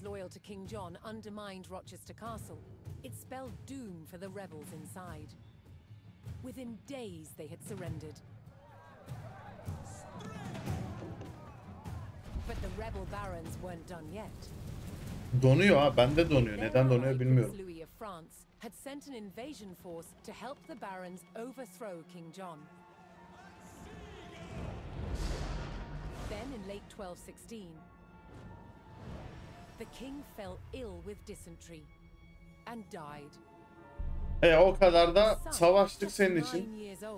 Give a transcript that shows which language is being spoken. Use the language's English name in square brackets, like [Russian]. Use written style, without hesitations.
[English] To King John undermined Rochester Castle, it spelled doom for the rebels inside. Within days, they had surrendered. But the rebel barons weren't done yet. [Turkish] Donuyor ha, bende donuyor. Neden donuyor bilmiyorum. [English] Louis of France had sent an invasion force to help the barons overthrow King John. Then in late 1216, the king fell ill with dysentery and died. [Turkish] O kadar da savaştık senin için.